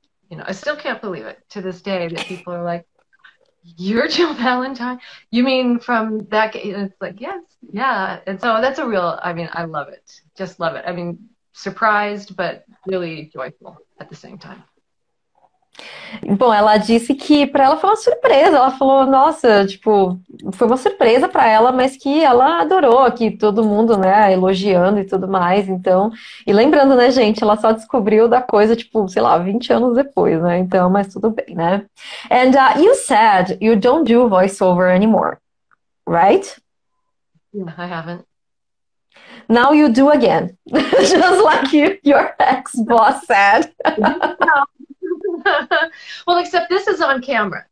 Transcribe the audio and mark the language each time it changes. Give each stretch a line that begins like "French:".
English: You know, I still can't believe it to this day that people are like, you're Jill Valentine? You mean from that game? It's like, yes, yeah. And so that's a real, I mean, I love it. Just love it. I mean, surprised, but really joyful at the same time.
Portuguese: Bom, ela disse que para ela foi uma surpresa. Ela falou, nossa, tipo, foi uma surpresa para ela, mas que ela adorou, que todo mundo, né, elogiando e tudo mais. Então, e lembrando, né, gente, ela só descobriu da coisa, tipo, sei lá, 20 anos depois, né? Então, mas tudo bem, né?
English: And you said you don't do voiceover anymore, right? No, I haven't. Now you do again, just like your ex-boss said. Well, except this is on camera.